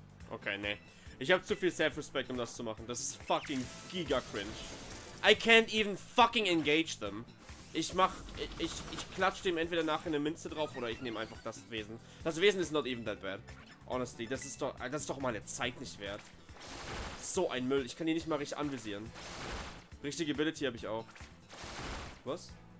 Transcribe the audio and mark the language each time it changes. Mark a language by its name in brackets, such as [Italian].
[German] Okay, nee. Ich habe zu viel Self-Respect, um das zu machen. Das ist fucking giga-cringe. [English] I can't even fucking engage them. [German] Ich klatsche dem entweder nachher eine Minze drauf oder ich nehme einfach das Wesen. Das Wesen ist not even that bad. Honestly, das ist doch meine Zeit nicht wert. So ein Müll. Ich kann die nicht mal richtig anvisieren. Richtige Ability habe ich auch. Was?